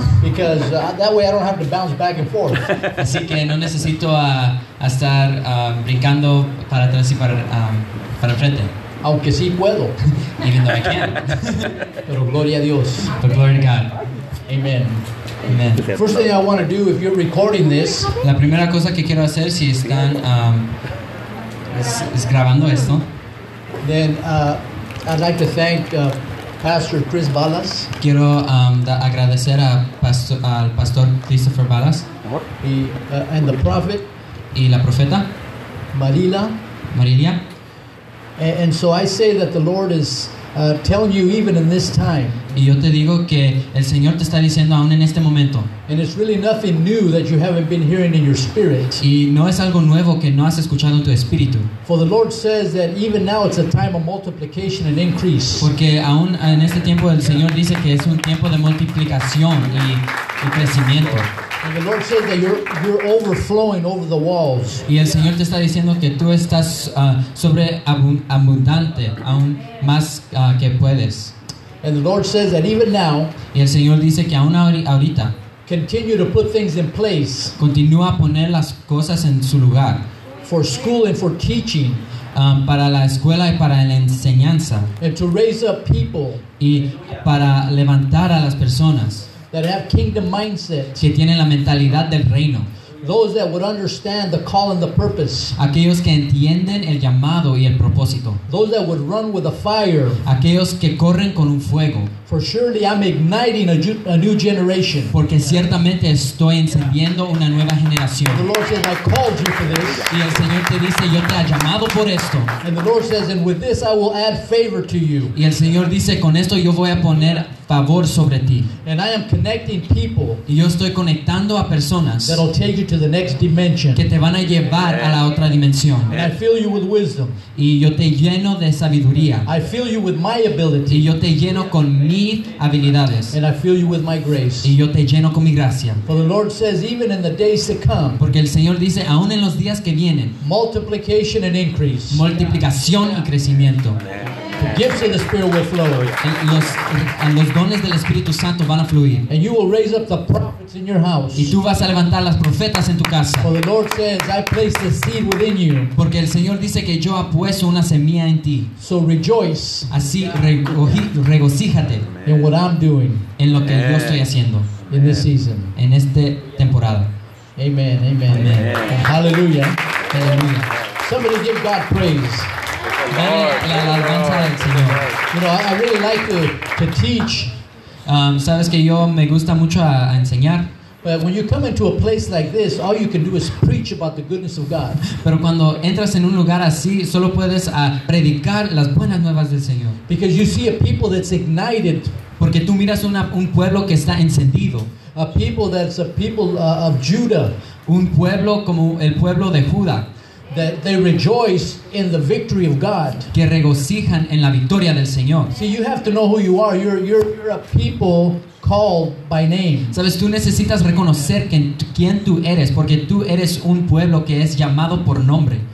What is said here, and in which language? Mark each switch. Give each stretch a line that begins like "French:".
English: Because that way I don't have to bounce back and forth.
Spanish: Así que no necesito a estar brincando para atrás y para frente. Aunque sí puedo.
English: Even though I can.
Spanish: Pero gloria a Dios.
English: But glory to God. Amen.
Spanish: Amen.
English: First thing I want to do, if you're recording this.
Spanish: La primera cosa que quiero hacer si están es grabando esto.
English: Then I'd like to thank Pastor Chris Balas.
Spanish: Quiero agradecer al Pastor Christopher Balas.
English: And the prophet.
Spanish: Y la profeta.
English: Marila.
Spanish: Marilia.
English: And so I say that the Lord is telling you even in this time.
Spanish: Y yo te digo que el Señor te está diciendo aún en este momento.
English: And it's really nothing new that you haven't been hearing in your spirit.
Spanish: Y no es algo nuevo que no has escuchado en tu espíritu.
English: For the Lord says that even now it's a time of multiplication and increase.
Spanish: Porque aún en este tiempo el Señor dice que es un tiempo de multiplicación y crecimiento.
English: And the Lord says that you're overflowing over the walls.
Spanish: Y el Señor te está diciendo que tú estás sobre abundante, aún más que puedes.
English: And the Lord says that even now.
Spanish: Y el Señor dice que aún ahorita.
English: Continue to put things in place.
Spanish: Continúa a poner las cosas en su lugar.
English: For school and for teaching.
Spanish: Para la escuela y para la enseñanza.
English: And to raise up people.
Spanish: Y para levantar a las personas.
English: That have kingdom mindset.
Spanish: Que tienen la mentalidad del reino.
English: Those that would understand the call and the purpose.
Spanish: Aquellos que entienden el llamado y el propósito.
English: Those that would run with a fire.
Spanish: Aquellos que corren con un fuego.
English: For surely I'm igniting a new generation.
Spanish: Porque ciertamente estoy encendiendo una nueva generación.
English: And the Lord says, I called you for this.
Spanish: Y el Señor te dice, yo te he llamado por esto.
English: And the Lord says, and with this I will add favor to you.
Spanish: Y el Señor dice, con esto yo voy a poner favor sobre ti.
English: And I am connecting people.
Spanish: Y yo estoy conectando a personas.
English: That'll take you to the next dimension.
Spanish: Que te van a llevar a la otra dimensión.
English: And I fill you with wisdom.
Spanish: Y yo te lleno de sabiduría.
English: I fill you with my ability.
Spanish: Y yo te lleno con mis habilidades.
English: And I fill you with my grace.
Spanish: Y yo te lleno con mi gracia.
English: For the Lord says, even in the days to come.
Spanish: Porque el Señor dice, aún en los días que vienen.
English: Multiplication and increase.
Spanish: Multiplicación y crecimiento.
English: The gifts of the Spirit will flow.
Spanish: Los dones del Espíritu Santo van a fluir.
English: And you will raise up the prophets in your house.
Spanish: Y tú vas a levantar las profetas en tu casa.
English: For the Lord says, I place the seed within you.
Spanish: Porque el Señor dice que yo he puesto una semilla en ti.
English: So rejoice.
Spanish: Así regocíjate.
English: In what I'm doing.
Spanish: En lo que yo estoy haciendo.
English: In this season.
Spanish: En esta temporada.
English: Amen. Amen.
Spanish: Amen.
English: Hallelujah. Hallelujah. Somebody give God praise. Lord, you know, I really like to teach.
Spanish: Sabes que yo me gusta mucho a enseñar.
English: But when you come into a place like this, all you can do is preach about the goodness of God.
Spanish: Pero cuando entras en un lugar así, solo puedes predicar las buenas nuevas del Señor.
English: Because you see a people that's ignited.
Spanish: Porque tú miras un pueblo que está encendido.
English: A people that's a people of Judah.
Spanish: Un pueblo como el pueblo de Judá.
English: That they rejoice in the victory of God.
Spanish: Que regocijan en la victoria del Señor.
English: See, you have to know who you are. You're a people called by name.
Spanish: Sabes, tú necesitas reconocer quién tú eres, porque tú eres un pueblo que es llamado por nombre.